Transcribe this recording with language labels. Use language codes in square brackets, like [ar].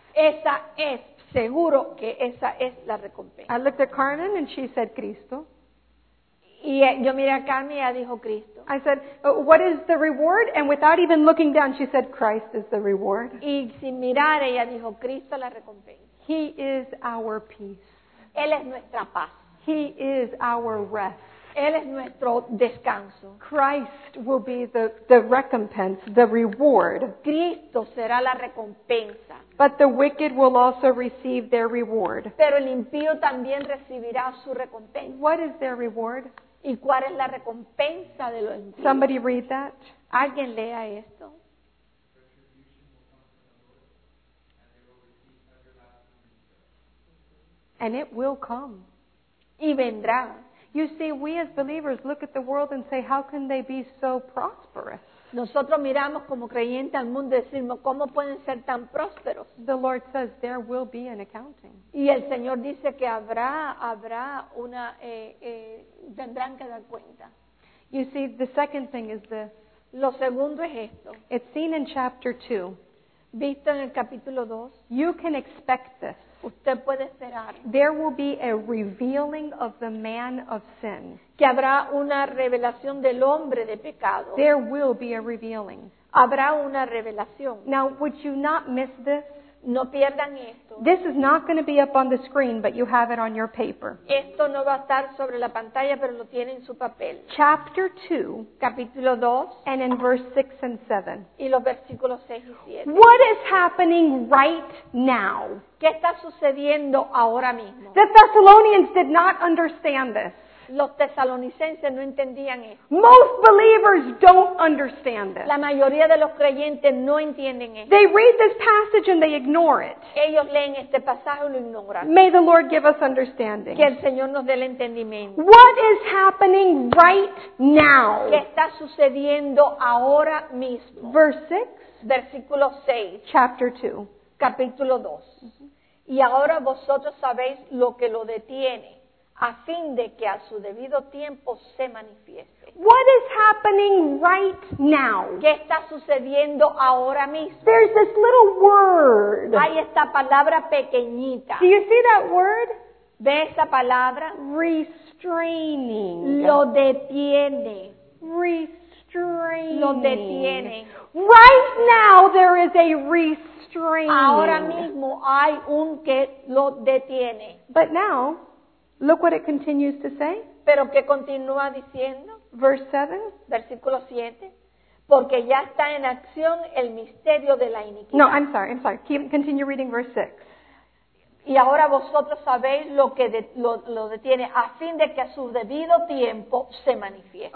[es] Esa es, seguro que esa es la recompensa. [en] I looked at Carmen and she said, Cristo. [es] Y yo miré a Carmen y ella dijo, Cristo. [en] I said, what is the reward? And without even looking down, she said, Christ is the reward. [es] Y sin mirar, ella dijo, Cristo la recompensa. [en] He is our peace. [es] Él es nuestra paz. [en] He is our rest. [es] Él es nuestro descanso. [en] Christ will be the recompense, the reward. [es] Cristo será la recompensa. [en] But the wicked will also receive their reward. [es] Pero el impío también recibirá su recompensa. [en] What is their reward? [es] ¿Y cuál es la recompensa de los impíos? [en] Somebody read that. [es] ¿Alguien lea esto? [en] And it will come. [es] Y vendrá. [en] You see, we as believers look at the world and say, how can they be so prosperous? [es] Nosotros miramos como creyentes al mundo y decimos, ¿cómo pueden ser tan prósperos? [en] The Lord says there will be an accounting. [es] Y el Señor dice que habrá una, tendrán que dar cuenta. [en] You see, the second thing is this. [es] Lo segundo es esto. [en] It's seen in chapter 2. [es] Visto en el capítulo 2. [en] You can expect this. [es] Usted puede esperar. [en] There will be a revealing of the man of sin. [es] Que habrá una revelación del hombre de pecado. [en] There will be a revealing. [es] Habrá una revelación. [en] Now, would you not miss this? [es] No pierdan esto. [en] This is not going to be up on the screen, but you have it on your paper. [es] Esto no va a estar sobre la pantalla, pero lo tiene en su papel. [en] Chapter 2, [es] capítulo 2, [en] and in verse 6 and 7. [es] Y los versículos 6 y 7. [en] What is happening right now? [es] ¿Qué está sucediendo ahora mismo? [en] The Thessalonians did not understand this. [es] Los tesalonicenses no entendían esto. [en] Most believers don't understand this. [es] La mayoría de los creyentes no entienden esto. [en] They read this passage and they ignore it. [es] Ellos leen este pasaje y lo ignoran. [en] May the Lord give us understanding. [es] Que el Señor nos dé el entendimiento. [en] What is happening right now? [es] ¿Qué está sucediendo ahora mismo? [en] Verse 6. [es] Versículo 6. [en] Chapter 2. [es] Capítulo 2. Mm-hmm. Y ahora vosotros sabéis lo que lo detiene, a fin de que a su debido tiempo se manifieste. [en] What is happening right now? [es] ¿Qué está sucediendo ahora mismo? [en] There's this little word. [es] Hay esta palabra pequeñita. [en] Do you see that word? [es] ¿Ve esa palabra? [en] Restraining. [es] Lo detiene. [en] Restraining. [es] Lo detiene. [en] Right now there is a restraining. [es] Ahora mismo hay un que lo detiene. [en] But now, look what it continues to say. [es] Pero que continúa diciendo. [en] Verse 7. [es] Versículo 7. Porque ya está en acción el misterio de la iniquidad. [en] No, I'm sorry. Continue reading verse 6. [es] Y ahora vosotros sabéis lo que lo detiene, a fin de que a su debido tiempo se manifieste.